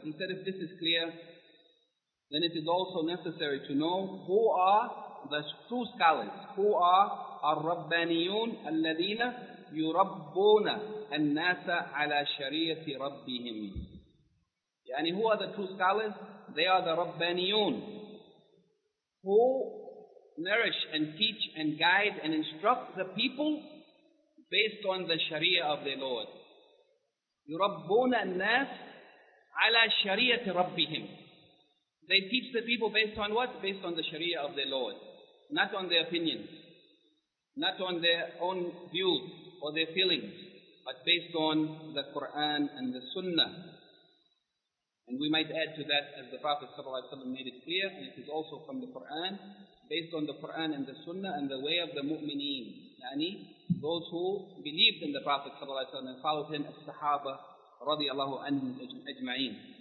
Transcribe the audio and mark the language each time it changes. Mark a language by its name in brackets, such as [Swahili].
[English] He said if this is clear then it is also necessary to know who are the true scholars, who are [Arabic] الربانيون الذين يربون الناس على شريعة ربهم. [English] يعني who are the true scholars? They are the ربانيون who nourish and teach and guide and instruct the people based on the sharia of their Lord. [Arabic] يربون الناس على شريعة ربهم. [English] They teach the people based on what? Based on the sharia of their Lord, not on their opinions, not on their own views or their feelings, but based on the Qur'an and the Sunnah. And we might add to that, as the Prophet ﷺ made it clear, and it is also from the Qur'an, based on the Qur'an and the Sunnah and the way of the mu'mineen, yani those who believed in the Prophet ﷺ and followed him, as Sahaba radiallahu anhum ajma'een.